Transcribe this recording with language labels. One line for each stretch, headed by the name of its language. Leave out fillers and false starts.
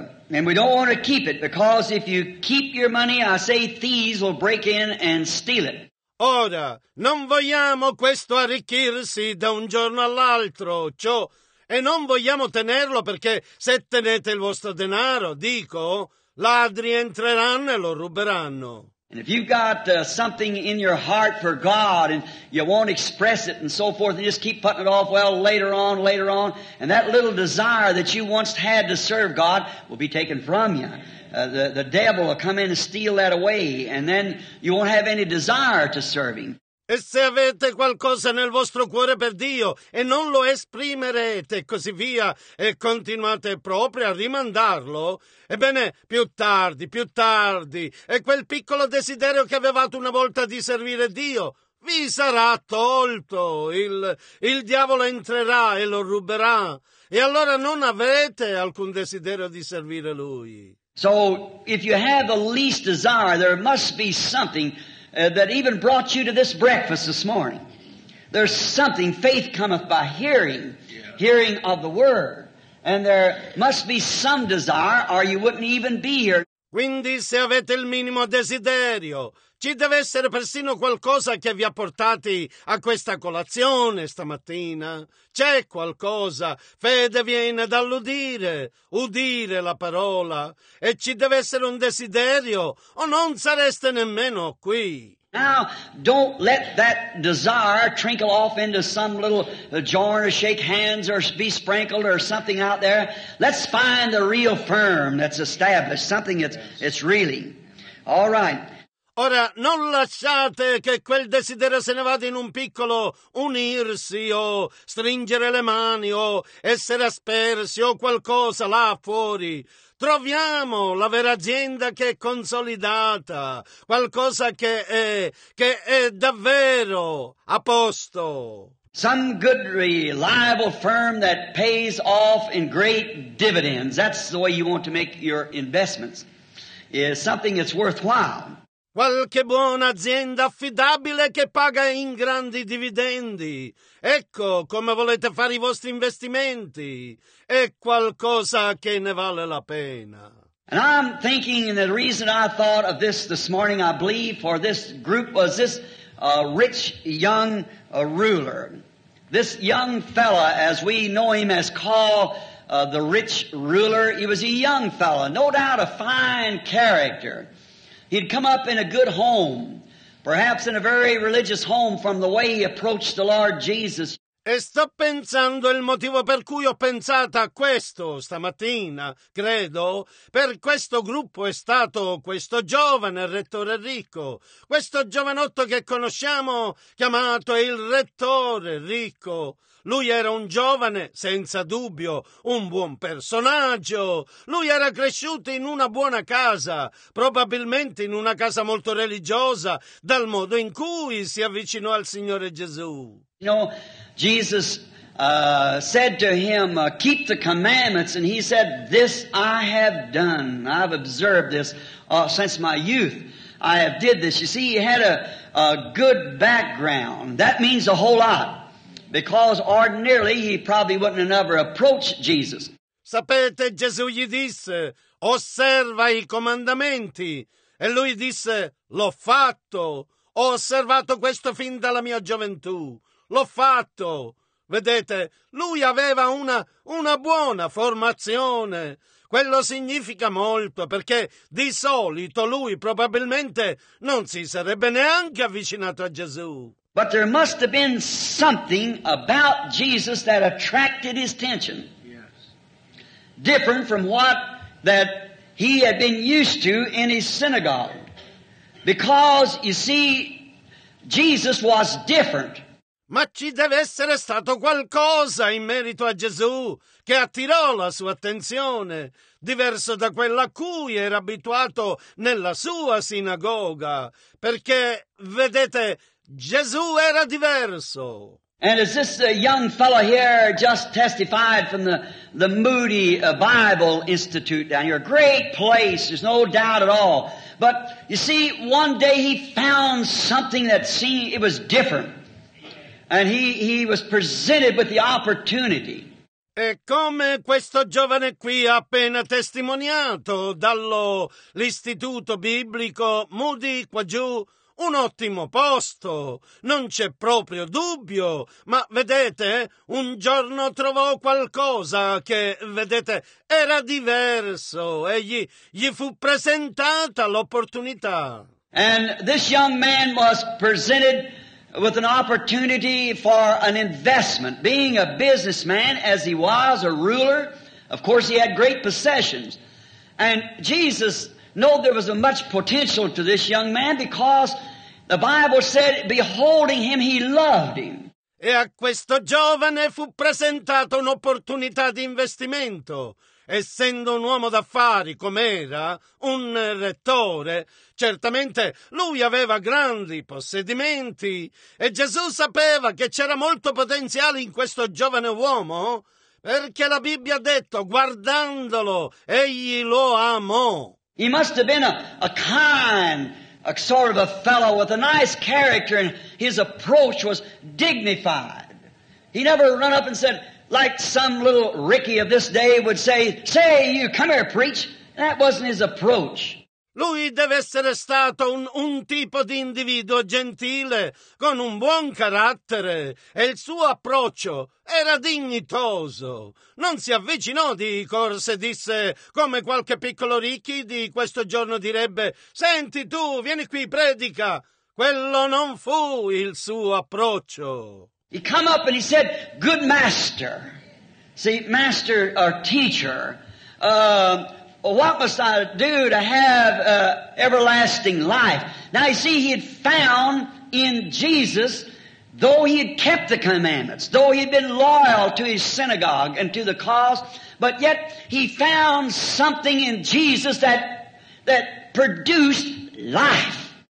English: And we don't want to keep it, because if you keep your money, I say thieves will break in and steal it.
Italian: Ora, non vogliamo questo arricchirsi da un giorno all'altro, ciò, e non vogliamo tenerlo, perché se tenete il vostro denaro, dico, ladri entreranno e lo ruberanno.
English: And if you've got something in your heart for God and you won't express it and so forth, and just keep putting it off, well, later on, and that little desire that you once had to serve God will be taken from you. The devil will come in and steal that away, and then you won't have any desire to serve Him.
Italian: E se avete qualcosa nel vostro cuore per Dio e non lo esprimerete, così via, e continuate proprio a rimandarlo, ebbene, più tardi, e quel piccolo desiderio che avevate una volta di servire Dio, vi sarà tolto, il diavolo entrerà e lo ruberà, e allora non avrete alcun desiderio di servire Lui.
English: So, if you have the least desire, there must be something that even brought you to this breakfast this morning. There's something, faith cometh by hearing, hearing of the word. And there must be some desire, or you wouldn't even be here.
Italian: Quindi se avete il minimo desiderio, ci deve essere persino qualcosa che vi ha portati a questa colazione stamattina. C'è qualcosa, fede viene dall'udire, udire la parola, e ci deve essere un desiderio, o non sareste nemmeno qui.
English: Now, don't let that desire trickle off into some little jar to shake hands or be sprinkled or something out there. Let's find the real firm that's established, something that's really. All right.
Italian: Ora, non lasciate che quel desiderio se ne vada in un piccolo unirsi o stringere le mani o essere aspersi o qualcosa là fuori. Troviamo la vera azienda che è consolidata, qualcosa che è davvero a posto.
English: Some good reliable firm that pays off in great dividends. That's the way you want to make your investments. Is something that's worthwhile.
Italian: Qualche buona azienda affidabile che paga in grandi dividendi. Ecco come volete fare i vostri investimenti. È qualcosa che ne vale la pena.
English: And I'm thinking, and the reason I thought of this morning, I believe, for this group was this rich young ruler. This young fella, as we know him as called the rich ruler, he was a young fella, no doubt a fine character. He'd come up in a good home, perhaps in a very religious home, from the way he approached the Lord Jesus.
Italian: E sto pensando il motivo per cui ho pensato a questo stamattina, credo, per questo gruppo è stato questo giovane rettore ricco, questo giovanotto che conosciamo chiamato il rettore ricco. Lui era un giovane, senza dubbio, un buon personaggio. Lui era cresciuto in una buona casa, probabilmente in una casa molto religiosa, dal modo in cui si avvicinò al Signore Gesù.
English: You know, Jesus said to him, keep the commandments, and he said, this I have done. I've observed this since my youth. I have did this. You see, he had a good background. That means a whole lot. Because ordinarily he probably wouldn't ever approach Jesus.
Italian: Sapete, Gesù gli disse, osserva i comandamenti. E lui disse, l'ho fatto. Ho osservato questo fin dalla mia gioventù. L'ho fatto. Vedete, lui aveva una buona formazione. Quello significa molto, perché di solito lui probabilmente non si sarebbe neanche avvicinato a Gesù.
English: But there must have been something about Jesus that attracted his attention. Different from what that he had been used to in his synagogue. Because, you see, Jesus was different.
Italian: Ma ci deve essere stato qualcosa in merito a Gesù che attirò la sua attenzione, diverso da quella a cui era abituato nella sua sinagoga. Perché, vedete, Gesù era diverso.
English: And as this young fellow here just testified from the Moody Bible Institute down here, a great place, there's no doubt at all. But you see, one day he found something that seemed, it was different. And he was presented with the opportunity.
Italian: E come questo giovane qui ha appena testimoniato dall'istituto biblico Moody qua giù, un ottimo posto, non c'è proprio dubbio, ma vedete, un giorno trovò qualcosa che, vedete, era diverso e gli fu presentata l'opportunità.
English: And this young man was presented with an opportunity for an investment. Being a businessman as he was, a ruler, of course he had great possessions. And Jesus knew there was a much potential to this young man because the Bible said, beholding him, he loved him.
Italian: E a questo giovane fu presentata un'opportunità di investimento. Essendo un uomo d'affari com'era, un rettore, certamente lui aveva grandi possedimenti e Gesù sapeva che c'era molto potenziale in questo giovane uomo, perché la Bibbia ha detto, guardandolo, egli lo amò.
English: He must have been a kind, a sort of a fellow with a nice character, and his approach was dignified. He never run up and said, like some little Ricky of this day would say, "Say, you come here, preach." That wasn't his approach.
Italian: Lui deve essere stato un tipo di individuo gentile, con un buon carattere, e il suo approccio era dignitoso. Non si avvicinò di corsa e disse, come qualche piccolo Ricky di questo giorno direbbe, "Senti tu, vieni qui, predica." Quello non fu il suo approccio.
English: He come up and he said, "Good master." See, master or teacher. What must I do to have everlasting life? Now you see, he had found in Jesus, though he had kept the commandments, though he had been loyal to his synagogue and to the cause, but yet he found something in Jesus that produced life.